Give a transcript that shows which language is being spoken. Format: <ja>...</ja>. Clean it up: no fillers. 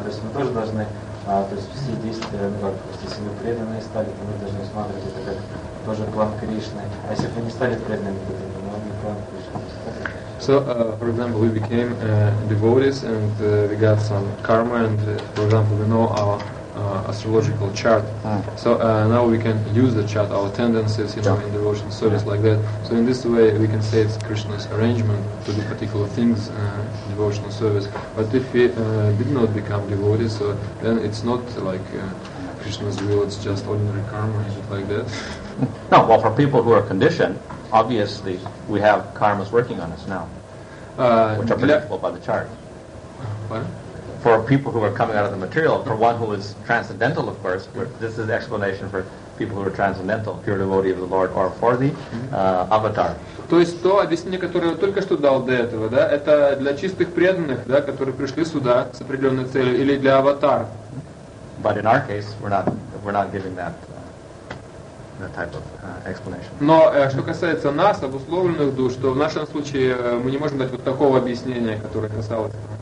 <ru>То есть мы тоже должны, то есть все действия, ну как, если мы преданные стали, то мы должны смотреть это как тоже план Кришны. А если бы не стали преданными, то это не план Кришны.</ru> <en>So, for example, we became devotees and we got some karma and, for example, we know our astrological chart. So now we can use the chart, our tendencies, you know, in devotional service like that. So in this way, we can say it's Krishna's arrangement to do particular things, devotional service. But if we did not become devotees, so then it's not like Krishna's will, it's just ordinary karma, is it like that? No, well, for people who are conditioned, obviously we have karmas working on us now, which are predictable by the chart. Pardon? For people who are coming out of the material, for one who is transcendental, of course, this is the explanation for people who are transcendental, pure devotee of the Lord, or for the avatar.</en> <ru>То есть то объяснение, которое я только что дал до этого, да, это для чистых преданных, да, которые пришли сюда с определенной целью, или для аватар.</ru> <en>But in our case, we're not giving that type of explanation.</en> <ru>Но что касается нас, обусловленных душ, то в нашем случае мы не можем дать вот такого объяснения, которое касалось.</ru>